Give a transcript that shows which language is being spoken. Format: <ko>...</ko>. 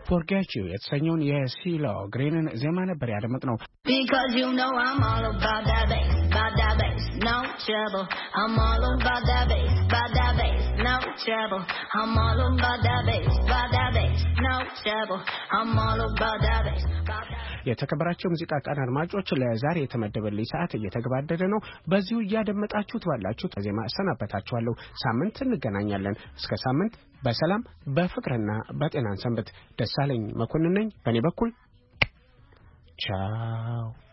<am>ጋጩ የተሰኘውን የሲሎ ግሪንን ዜማ ነበር ያደመጥነው።</am> <en>Because you know I'm all about that bass, about that bass, no trouble. I'm all about that bass, about that bass, no trouble. I'm all about that bass, about that bass, no trouble. I'm all about that bass.</en> <am>የተከበራችሁ ሙዚቃ ቃናን ማጮች ለዛሬ የተመደበልኝ ሰዓት እየተገባደደ ነው። በዚሁ ያደመጣችሁ ተባላችሁ ተዜማ አሰናበታችኋለሁ። ሳምንት እንገናኛለን። እስከ ሳምንት በሰላም በፍቅርና በጤናን ሰንብት። ደሳለኝ መኮንን ነኝ በኔ በኩል ቻው።</am>